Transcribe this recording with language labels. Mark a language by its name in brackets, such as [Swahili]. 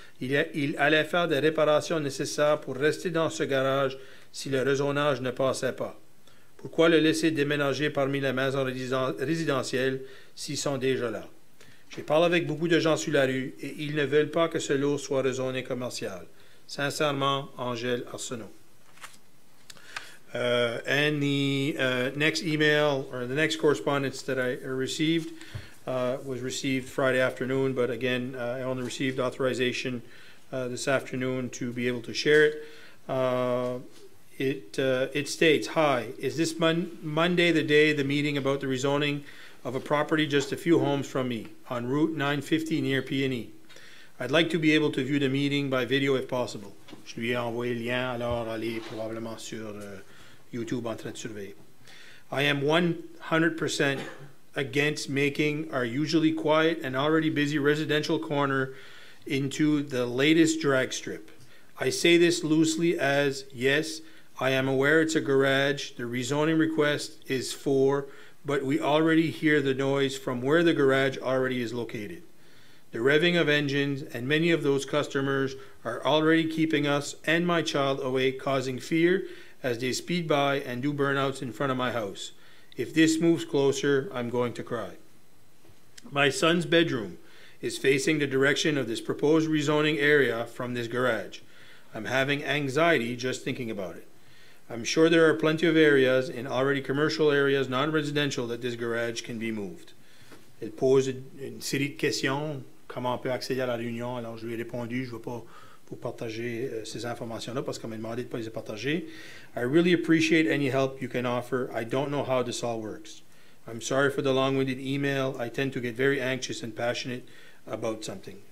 [French] Il allait faire des réparations nécessaires pour rester dans ce garage si le rezonage ne passait pas. Pourquoi le laisser déménager parmi les maisons résidentielles s'ils sont déjà là? J'ai parlé avec beaucoup de gens sur la rue et ils ne veulent pas que ce lot soit rezoné commercial. Sincèrement, Angèle Arsenault. [English] And the next email, or the next correspondence that I received, was received Friday afternoon, but again, I only received authorization this afternoon to be able to share it. It states, "Hi, is this Monday the day the meeting about the rezoning of a property just a few homes from me on Route 950 near P&E? I'd like to be able to view the meeting by video if possible." [French] Je lui ai envoyé le lien, alors allez probablement sur YouTube en train de surveiller. [English] "I am 100% against making our usually quiet and already busy residential corner into the latest drag strip. I say this loosely as, yes, I am aware it's a garage, the rezoning request is for, but we already hear the noise from where the garage already is located. The revving of engines and many of those customers are already keeping us and my child awake, causing fear as they speed by and do burnouts in front of my house. If this moves closer, I'm going to cry. My son's bedroom is facing the direction of this proposed rezoning area from this garage. I'm having anxiety just thinking about it. I'm sure there are plenty of areas in already commercial areas, non-residential, that this garage can be moved." [French] Elle pose une série de questions. Comment on peut accéder à la réunion? Alors, je lui ai répondu, je ne veux pas pour partager ces informations-là, parce qu'on m'a demandé de ne pas les partager. [English] "I really appreciate any help you can offer. I don't know how this all works. I'm sorry for the long-winded email. I tend to get very anxious and passionate about something.